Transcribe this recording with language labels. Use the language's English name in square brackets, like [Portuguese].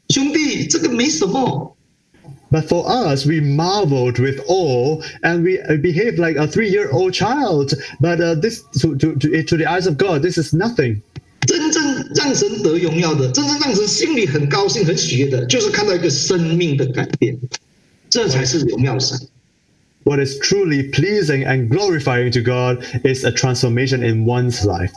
[Chinese] 当然在我们来看，我们好像三岁的小孩，哇，很荣耀，哇，很厉害哦。在神来讲，这个没什么，兄弟，这个没什么。 [English] But for us, we marveled with awe, and we behaved like a three-year-old child. But this to the eyes of God, this is nothing. [Chinese] 真正让神得荣耀的，真正让神心里很高兴、很喜悦的，就是看到一个生命的改变，这才是荣耀神。 [English] What is truly pleasing and glorifying to God is a transformation in one's life.